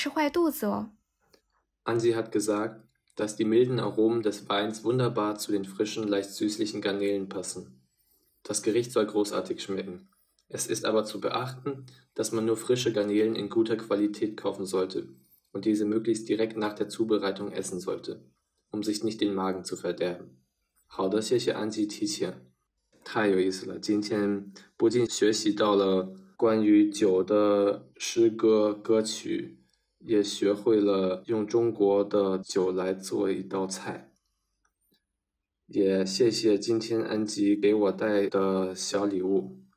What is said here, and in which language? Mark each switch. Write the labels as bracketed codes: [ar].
[zh] 没错，这道菜既有虾的鲜甜，也有酒的醇香，口味棒极了。不过大家也要注意饮食卫生，尽量买质量过关的新鲜的虾，做好之后半个小时之内吃完，才不会吃坏肚子哦。Anzi [de] hat gesagt, dass die milden Aromen des Weins wunderbar zu den frischen, leicht süßlichen Garnelen passen. Das Gericht soll großartig schmecken. Es ist aber zu beachten, dass man nur frische Garnelen in guter Qualität kaufen sollte und diese möglichst direkt nach der Zubereitung essen sollte, um sich nicht den Magen zu verderben. [zh] 好的，谢谢安吉提醒，太有意思了。今天不仅学习到了关于酒的诗歌歌曲，也学会了用中国的酒来做一道菜。也谢谢今天安吉给我带的小礼物。